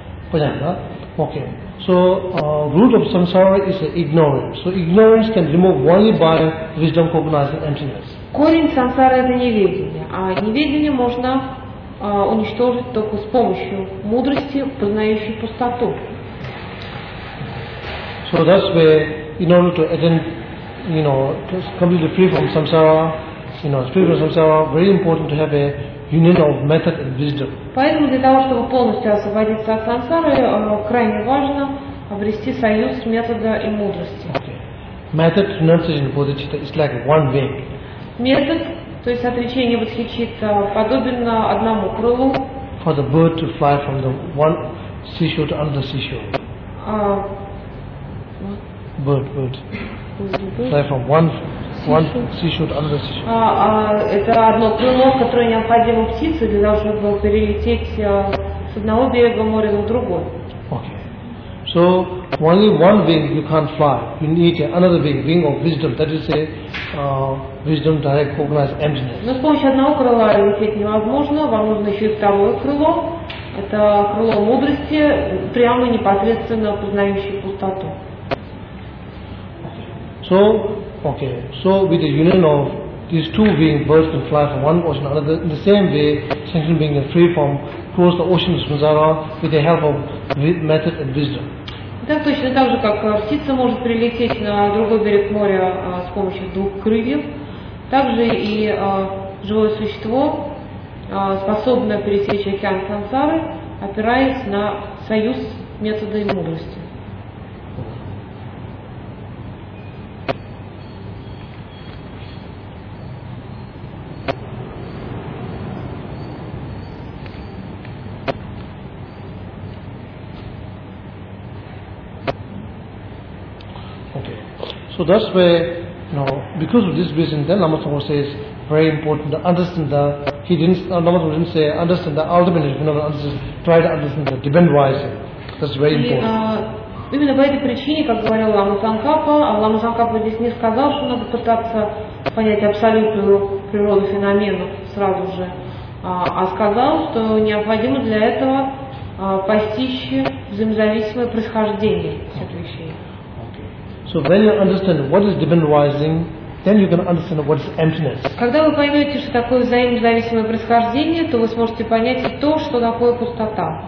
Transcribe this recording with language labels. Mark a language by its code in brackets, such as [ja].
[ru] Понятно? [en] Okay. So root of samsara is ignorance. So ignorance can remove only by wisdom cognizing emptiness. [ru] Корень сансары это неведение, а неведение можно уничтожить только с помощью мудрости, познающей пустоту. [en] So that's where in order to attain, you know, to completely free from samsara, you know, free from samsara, very important to have a union of method and wisdom. [ru] Поэтому для того, чтобы полностью освободиться от сансары, крайне важно обрести союз метода и мудрости. [en] Method renunciation of bodhicitta is like one wing. [ru] Метод, то есть отречение бодхичитты, подобен одному крылу. [en] For the bird to fly from the one seashore to another seashore. Bird. Fly from one seashore. [ru] Это одно крыло, которое необходимо птице для того, чтобы перелететь с одного берега моря на другой. [en] Okay. So only one wing you can't fly. You need another wing, wing of wisdom. That is a wisdom direct cognized emptiness. [ru] Но с помощью одного крыла лететь невозможно. Вам нужно еще второе крыло, Это крыло мудрости, прямо непосредственно познающее пустоту. [en] So, okay. So with the union of these two beings, birds can fly from one ocean to another. In the same way, sentient beings can free from cross the ocean of samsara with the help of method and wisdom. [ru] Так точно так же, как птица может прилететь на другой берег моря с помощью двух крыльев, также и живое существо, способное пересечь океан сансары, опираясь на союз метода и мудрости. [en] So that's where, you know, because of this reason, then Lama Tsongkhapa says very important to understand the. He didn't. Lama Tsongkhapa didn't say understand the ultimate phenomenon. Understand, try to understand the dependent rising. That's very important. [ru] Именно по этой причине, как говорил Лама Цанкапа, Лама Цанкапа здесь не сказал, что надо пытаться понять абсолютную природу феномена сразу же, а сказал, что необходимо для этого постичь взаимозависимое происхождение всех вещей. [en] So when you understand what is dependent rising, then you can understand what is emptiness. [ru] Когда вы поймете, что такое взаимозависимое происхождение, то вы сможете понять и то, что такое пустота.